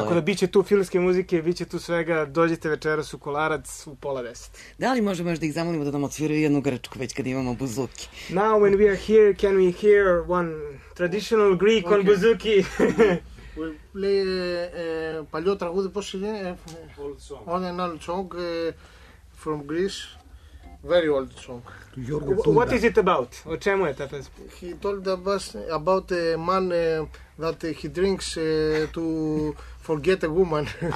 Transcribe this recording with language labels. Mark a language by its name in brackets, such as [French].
[Serbian] Tako da biće tu filmske muzike, biće tu svega, dođite večeras u Kolarac u 9:30. Da li možemo još da ih zamolimo da nam otviraju jednu grčku već kad imamo buzuki? [English] Now when we are here, can we hear one traditional Greek okay. on buzuki? We'll play [Greek] παλιό τραγούδι, πώς είναι? [English] Old song. On an old song from Greece. Very old song. What is it about? [Serbian] O čemu je ta pesma? [English] He told us about a man that he drinks to forget a woman.